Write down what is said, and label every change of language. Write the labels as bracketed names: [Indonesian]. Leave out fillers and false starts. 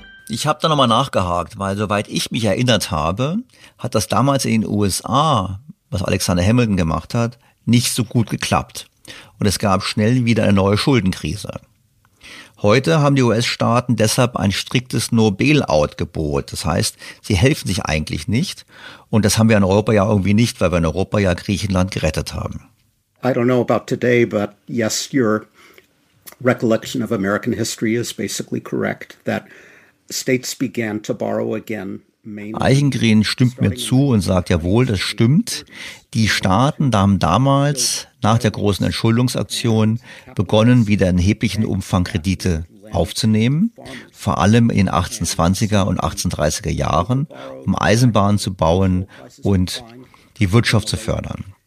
[German] Ich habe da nochmal nachgehakt, weil soweit ich mich erinnert habe, hat das damals in den USA, was Alexander Hamilton gemacht hat, nicht so gut geklappt. Und es gab schnell wieder eine neue Schuldenkrise. Heute haben die US-Staaten deshalb ein striktes No-Bail-Out-Gebot. Das heißt, sie helfen sich eigentlich nicht. Und das haben wir in Europa ja irgendwie nicht, weil wir in Europa ja Griechenland gerettet haben. [English] I don't know about today, but yes, your recollection of American history is basically correct, that states began to borrow again. [German] Eichengreen stimmt mir zu und sagt, jawohl, das stimmt. Die Staaten haben damals, nach der großen Entschuldungsaktion, begonnen, wieder in erheblichen Umfang Kredite aufzunehmen, vor allem in 1820er und 1830er Jahren, um Eisenbahnen zu bauen und die Wirtschaft zu fördern.